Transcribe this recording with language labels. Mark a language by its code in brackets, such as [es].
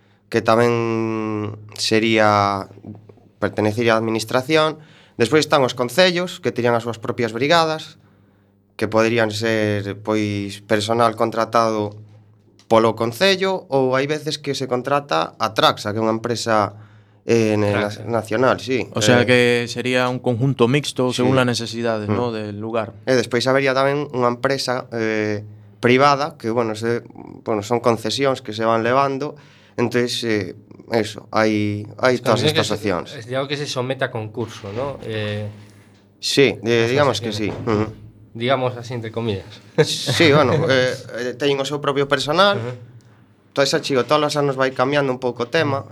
[gl] que tamén sería, pertenecería á administración. Despois están os concellos, que terían as súas propias brigadas, que poderían ser pois personal contratado polo concello, ou hai veces que se contrata a Traxa, que é unha empresa nacional, sí. [es] O sea que sería un conjunto mixto según sí. las necesidades, ¿no? del lugar. [gl] Despois habería tamén unha empresa privada, que bueno, son concesións que se van levando. [es] Entonces, eso, hay es todas estas opciones. Es algo que se somete a concurso, ¿no? Sí, digamos que sí. Digamos así, entre comillas. Sí, bueno, tengo su propio personal. Entonces, chico, todos los años va a ir cambiando un poco el tema.